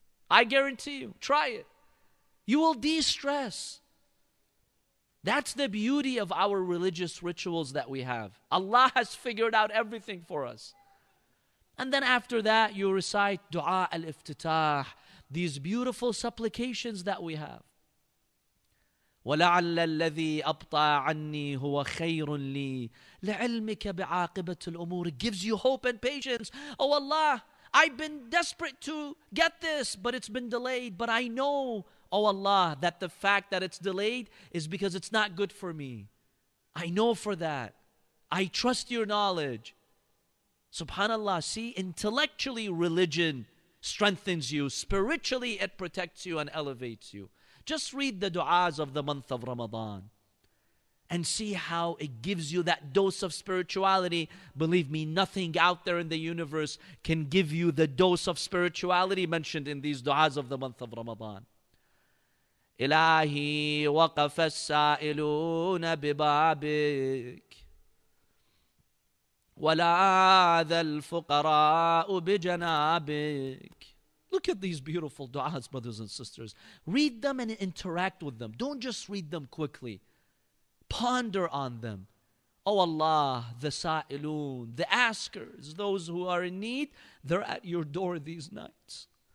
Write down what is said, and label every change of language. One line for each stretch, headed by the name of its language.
English: I guarantee you, try it. You will de-stress. That's the beauty of our religious rituals that we have. Allah has figured out everything for us. And then after that, you recite Dua al-Iftitah, these beautiful supplications that we have.
Arabic: ولعل الذي أبطى عني هو خير لي لعلمك بعاقبة الأمور.
English: It gives you hope and patience. Oh Allah, I've been desperate to get this, but it's been delayed. But I know, oh Allah, that the fact that it's delayed is because it's not good for me. I know for that. I trust your knowledge. Subhanallah, see, intellectually religion strengthens you. Spiritually it protects you and elevates you. Just read the du'as of the month of Ramadan and see how it gives you that dose of spirituality. Believe me, nothing out there in the universe can give you the dose of spirituality mentioned in these du'as of the month of Ramadan.
Arabic: إلهي وقف السائلون ببابك ولا ذا الفقراء بجنابك.
English: Look at these beautiful du'as, brothers and sisters. Read them and interact with them. Don't just read them quickly. Ponder on them. Oh Allah, the sa'ilun, the askers, those who are in need, they're at your door these nights.